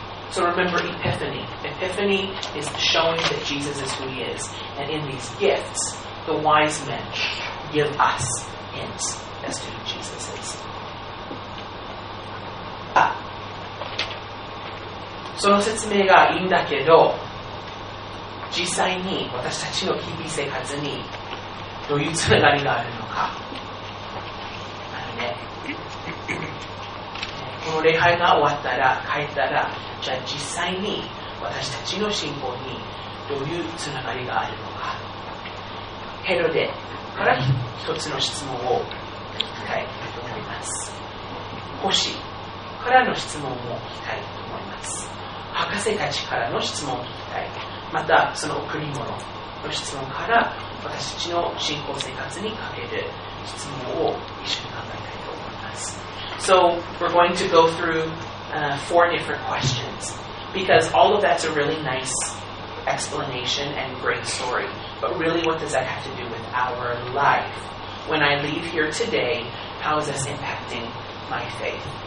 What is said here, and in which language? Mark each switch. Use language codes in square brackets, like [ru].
[en] So remember Epiphany. Epiphany is showing that Jesus is who he is. And in these gifts, the wise men give us hints as to who Jesus is. [ja] その説明がいいんだけど、実際に私たちの日々生活にどういうつながりがあるのか。あのね、この礼拝が終わったら、帰ったら、じゃあ実際に私たちの信仰にどういうつながりがあるのか。ヘロデから一つの質問を聞きたいと思います。星からの質問も聞きたいと思います。博士たちからの質問を聞きたい。またその贈り物の質問から私たちの信仰生活にかける質問を一緒に考えたいと思います。 [en] So we're going to go through four different questions because all of that's a really nice explanation and great story. But really, what does that have to do with our life? when I leave here today, how is this impacting my faith?